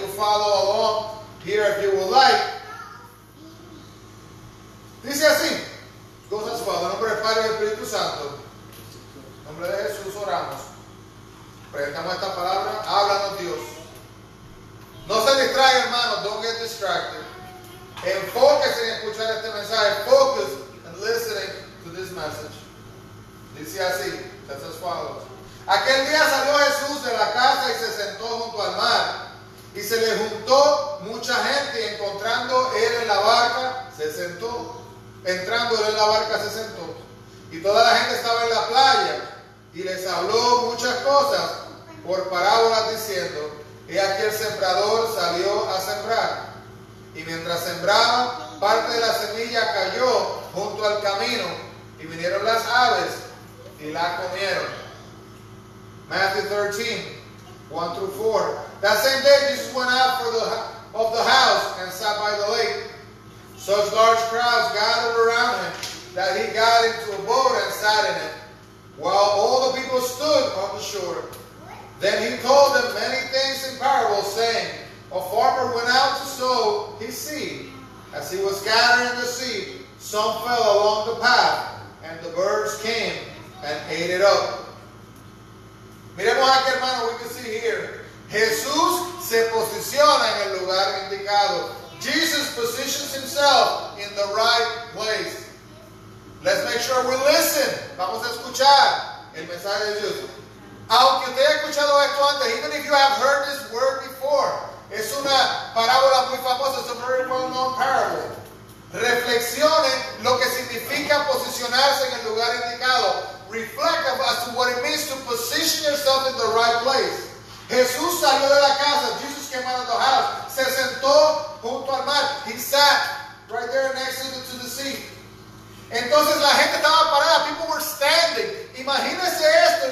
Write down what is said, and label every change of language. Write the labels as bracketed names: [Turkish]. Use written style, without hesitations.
[English] You can follow along here if you would like. [Spanish] Dice así. Dios es Padre, en nombre del Padre y del Espíritu Santo. En nombre de Jesús oramos. Presentamos esta palabra. Háblanos Dios. No se distraiga, hermano. [English] Don't get distracted. [Spanish] Enfóquese en escuchar este mensaje. [English] Focus and listening to this message. [Spanish] Dice así. Dios es Padre. Aquel día salió Jesús de la casa y se sentó junto al mar. Y se le juntó mucha gente y encontrando él en la barca, se sentó. Entrando él en la barca, se sentó. Y toda la gente estaba en la playa y les habló muchas cosas por parábolas diciendo, he aquí el sembrador salió a sembrar. Y mientras sembraba, parte de la semilla cayó junto al camino y vinieron las aves y la comieron. [English] Matthew 13, 1 through 4. That same day Jesus went out of the house and sat by the lake. Such large crowds gathered around him that he got into a boat and sat in it, while all the people stood on the shore. Then he told them many things in parables, saying, a farmer went out to sow his seed. As he was scattering the seed, some fell along the path, and the birds came and ate it up. [Spanish] Miremos aquí, hermano, [English] we can see here. [Spanish] Jesús se posiciona en el lugar indicado. [English] Jesus positions himself in the right place. Let's make sure we listen. [Spanish] Vamos a escuchar el mensaje de Dios. Aunque usted haya escuchado esto antes, [English] even if you have heard this word before, [Spanish] es una parábola muy famosa, [English] it's a very well-known parable. [Spanish] Reflexione lo que significa posicionarse en el lugar indicado. [English] Reflect as to what it means to position yourself in the right place. [Spanish] Jesús salió de la casa. [English] Jesus came out of the house. [Spanish] Se sentó junto al mar. [English] He sat right there next to the sea. [Spanish] Entonces la gente estaba parada. [English] People were standing. [Spanish] Imagínese esto.